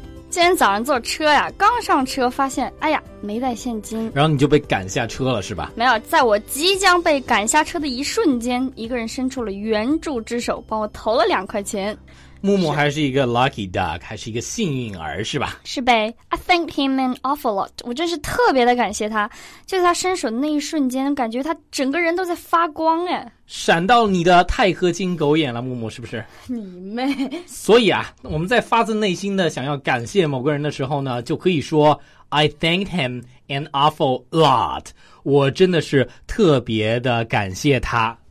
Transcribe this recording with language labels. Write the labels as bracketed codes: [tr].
[zh] 今天早上坐车呀，刚上车发现哎呀没带现金，然后你就被赶下车了是吧？没有，在我即将被赶下车的一瞬间，一个人伸出了援助之手，帮我投了2块钱。木木还是一个 [en] lucky duck, [zh] 还是一个幸运儿是吧？是呗。 [en] I thank him an awful lot, [zh] 我真是特别的感谢他。就在他伸手的那一瞬间，感觉他整个人都在发光哎，闪到你的钛合金狗眼了，木木，是不是？你妹。所以啊，我们在发自内心的想要感谢某个人的时候呢，就可以说 [en] I thanked him an awful lot, [zh] 我真的是特别的感谢他。